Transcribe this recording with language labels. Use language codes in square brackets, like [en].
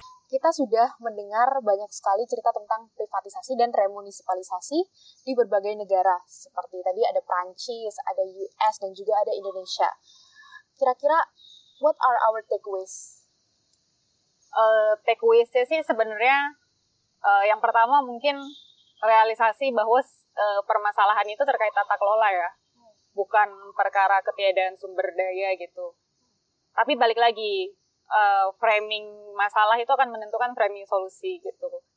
[id] Kita sudah mendengar banyak sekali cerita tentang privatisasi dan remunisipalisasi di berbagai negara. Seperti tadi ada Prancis, ada US, dan juga ada Indonesia. Kira-kira, [en] what are our takeaways? [id] Takeaways-nya sih sebenarnya, yang pertama mungkin realisasi bahwa permasalahan itu terkait tata kelola ya. Bukan perkara ketiadaan sumber daya gitu. Tapi balik lagi, framing masalah itu akan menentukan framing solusi gitu.